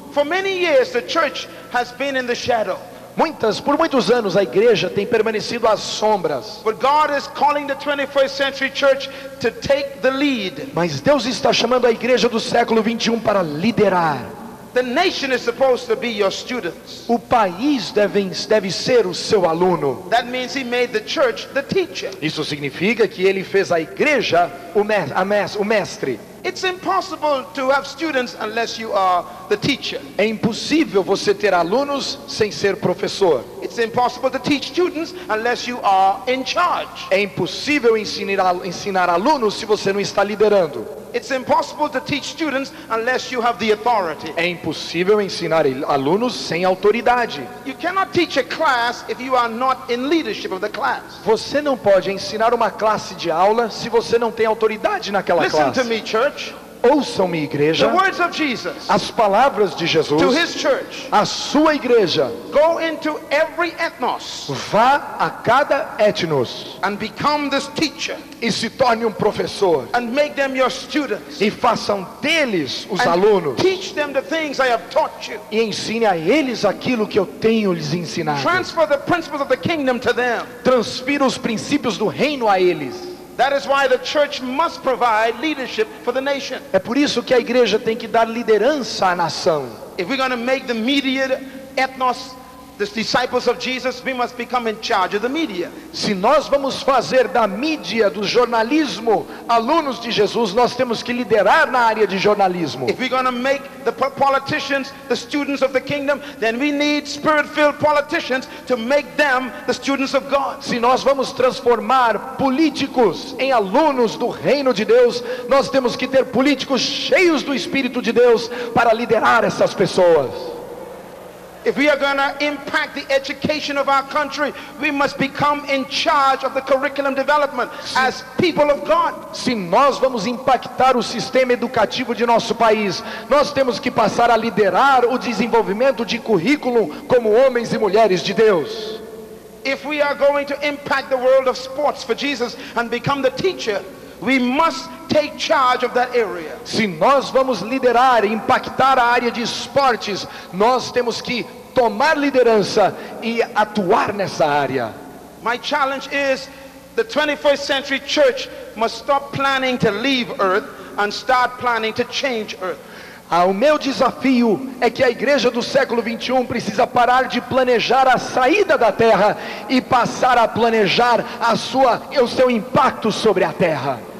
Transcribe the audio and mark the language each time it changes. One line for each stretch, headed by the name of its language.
English: For many years, the church has been in the shadow.
Portuguese: Muitas, por muitos anos, a igreja tem permanecido às sombras.
English: But God is calling the 21st century church to take the lead.
Portuguese: Mas Deus está chamando a igreja do século 21 para liderar.
English: The nation is supposed to be your students.
Portuguese: O país deve ser o seu aluno.
English: That means he made the church the teacher.
Portuguese: Isso significa que ele fez a igreja o mestre.
English: It's impossible to have students unless you are the teacher.
Portuguese: É impossível você ter alunos sem ser professor.
English: It's impossible to teach students unless you are in charge.
Portuguese: É impossível ensinar alunos se você não está liderando.
English: It's impossible to teach students unless you have the authority.
Portuguese: É impossível ensinar alunos sem autoridade.
English: You cannot teach a class if you are not in leadership of the class.
Portuguese: Você não pode ensinar uma classe de aula se você não tem autoridade naquela classe.
English: Listen to me, church.
Portuguese: Ouçam-me, igreja.
English: The words of Jesus.
Portuguese: As palavras de Jesus.
English: To his church.
Portuguese: A sua igreja.
English: Go into every ethnos.
Portuguese: Vá a cada etnos.
English: And become this teacher.
Portuguese: E se torne professor.
English: And make them your students.
Portuguese: E façam deles os
English: and
Portuguese: alunos.
English: Teach them the things I have taught you.
Portuguese: E ensine a eles aquilo que eu tenho lhes ensinado.
English: Transfer the principles of the kingdom to them.
Portuguese: Transfira os princípios do reino a eles.
English: That is why the church must provide leadership for the nation.
Portuguese: É por isso que a igreja tem que dar liderança à nação.
English: If we're going to make the media ethnos the disciples of Jesus, we must become in charge of the media.
Portuguese: Se nós vamos fazer da mídia, do jornalismo, alunos de Jesus, nós temos que liderar na área de jornalismo.
English: If we're going to make the politicians the students of the kingdom, then we need spirit-filled politicians to make them the students of God.
Portuguese: Se nós vamos transformar políticos em alunos do reino de Deus, nós temos que ter políticos cheios do Espírito de Deus para liderar essas pessoas.
English: If we are going to impact the education of our country, we must become in charge of the curriculum development as people of God.
Portuguese: Se nós vamos impactar o sistema educativo de nosso país, nós temos que passar a liderar o desenvolvimento de currículo como homens e mulheres de Deus.
English: If we are going to impact the world of sports for Jesus and become the teacher, we must take charge of that area.
Portuguese: Se nós vamos liderar e impactar a área de esportes, nós temos que tomar liderança e atuar nessa área.
English: My challenge is the 21st century church must stop planning to leave earth and start planning to change earth.
Portuguese: O meu desafio é que a igreja do século 21 precisa parar de planejar a saída da terra e passar a planejar o seu impacto sobre a terra.